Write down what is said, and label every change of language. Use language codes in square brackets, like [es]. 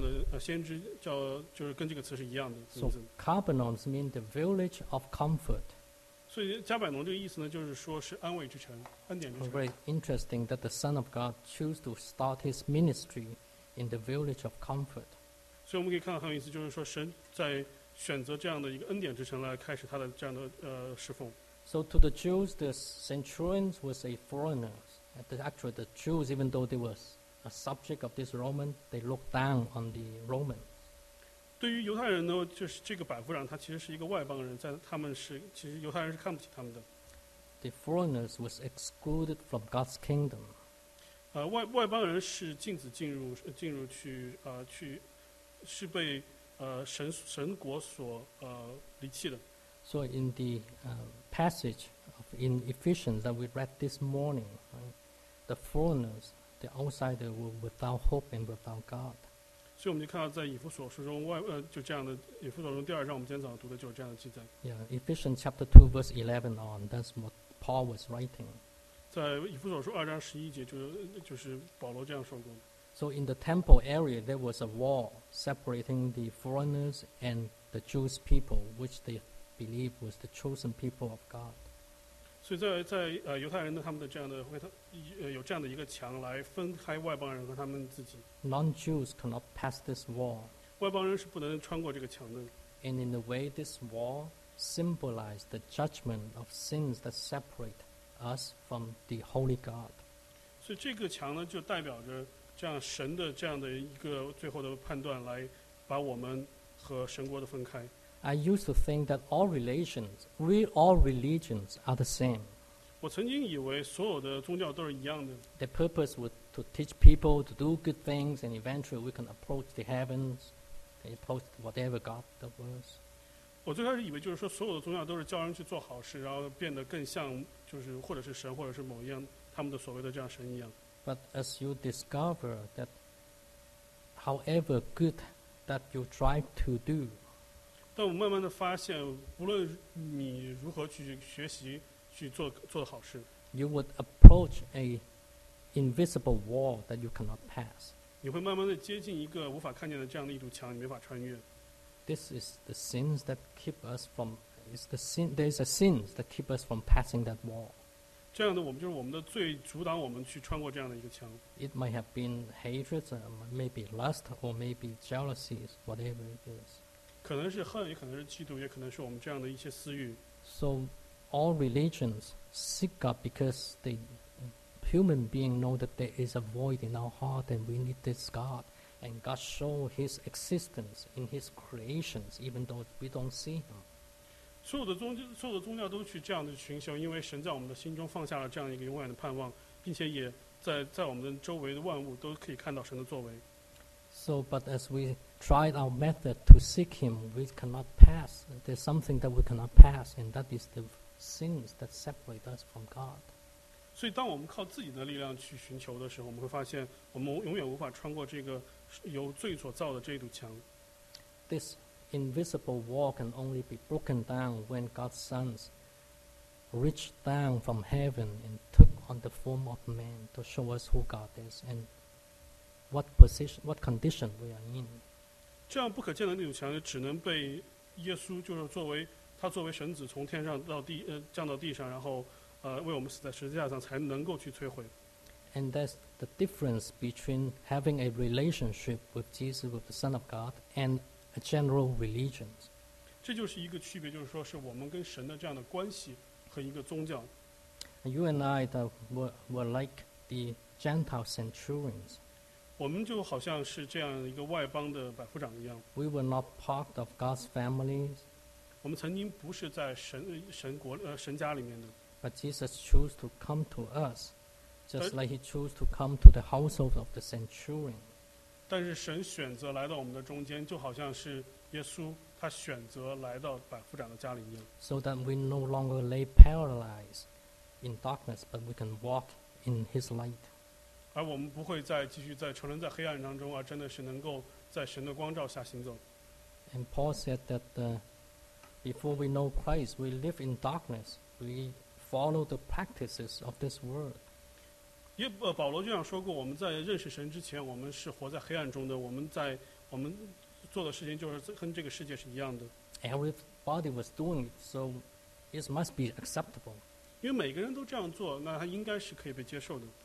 [zh] 在旧约里面有一个这样的先知叫就是跟这个词是一样的。So [en] Capernaum means the village of comfort. [zh] 所以加百农这个意思呢，就是说是安慰之城，恩典之城。 [en] Very interesting that the Son of God chose to start his ministry in the village of comfort. [zh] 所以我们可以看到很有意思，就是说神在选择这样的一个恩典之城来开始他的这样的侍奉。 [en] So to the Jews, the centurions was a foreigner. Actually, the Jews, even though they were a subject of this Roman, they looked down on the Roman. [zh] 对于犹太人呢，就是这个百夫长，他其实是一个外邦人，在他们是其实犹太人是看不起他们的。 [en] The foreigners was excluded from God's kingdom. [zh] 外邦人是禁止进入去去是被神国所离弃的。 [en] So in the passage of in Ephesians that we read this morning, the foreigners, the outsiders, were without hope and without God. [zh] 所以我们就看到在以弗所书中外就这样的以弗所书第二章我们今天早上读的就是这样的记载。 [en] Yeah, Ephesians chapter 2 verse 11 on that's what Paul was writing. [zh] 在以弗所书二章十一节就是保罗这样说过的。 [en] So in the temple area there was a wall separating the foreigners and the Jewish people, which they believed was the chosen people of God. [zh] 所以在犹太人的他们的这样的会有这样的一个墙来分开外邦人和他们自己。 [en] Non-Jews cannot pass this wall. [zh] 外邦人是不能穿过这个墙的。 [en] And in a way, this wall symbolized the judgment of sins that separate us from the Holy God. [zh] 所以这个墙呢，就代表着这样神的这样的一个最后的判断，来把我们和神国的分开。 [en] I used to think that all relations, all religions are the same. [zh] 我曾经以为所有的宗教都是一样的。 [en] The purpose was to teach people to do good things, and eventually we can approach the heavens, approach whatever God that was. [zh] 我最开始以为就是说所有的宗教都是教人去做好事，然后变得更像就是或者是神，或者是某一样他们的所谓的这样神一样。 [en] But as you discover that however good that you try to do, [zh] 但我慢慢的发现无论你如何去学习去做好事， [en] you would approach an invisible wall that you cannot pass. [zh] 你会慢慢的接近一个无法看见的这样的一堵墙，你没法穿越。 [en] This is the sins that keep us from, is the sin, there is a sins that keep us from passing that wall. [zh] 这样的我们就是我们的罪阻挡我们去穿过这样的一个墙。 [en] It might have been hatred, maybe lust, or maybe jealousy, whatever it is. [zh] 可能是恨，也可能是嫉妒，也可能是我们这样的一些私欲。 [en] So all religions seek God because the human being know that there is a void in our heart and we need this God. And God showed His existence in His creations, even though we don't see Him. [zh] 所有的宗教都去这样的寻求，因为神在我们的心中放下了这样一个永远的盼望，并且也在我们的周围的万物都可以看到神的作为。 [en] So, but as we tried our method to seek Him, we cannot pass. There's something that we cannot pass, and that is the sins that separate us from God. [zh] 所以当我们靠自己的力量去寻求的时候，我们会发现我们永远无法穿过这个由罪所造的这一堵墙。 [en] This invisible wall can only be broken down when God's sons reached down from heaven and took on the form of man to show us who God is and what position, what condition we are in. [zh] 这样不可见的那堵墙只能被耶稣就是作为他作为神子从天上到地降到地上，然后为我们死在十字架上才能够去摧毁。 [en] And that's the difference between having a relationship with Jesus, with the Son of God, and a general religion. [zh] 这就是一个区别，就是说是我们跟神的这样的关系和一个宗教。 [en] You and I that were like the Gentile centurions. [zh] 我们就好像是这样一个外邦的百夫长一样。 [en] We were not part of God's family. [zh] 我们曾经不是在神家里面的。 [en] But Jesus chose to come to us, just like He chose to come to the household of the centurion. [zh] 但是神选择来到我们的中间，就好像是耶稣他选择来到百夫长的家里一样。 [en] So that we no longer lay paralyzed in darkness, but we can walk in His light. [zh] 而我们不会再继续在沉沦在黑暗当中，而真的是能够在神的光照下行走。 [en] And Paul said that before we know Christ, we live in darkness. We follow the practices of this world. [zh] 保罗就像说过，我们在认识神之前，我们是活在黑暗中的。我们做的事情就是跟这个世界是一样的。 [en] Everybody was doing it, so it must be acceptable. [zh] 因为每个人都这样做，那他应该是可以被接受的。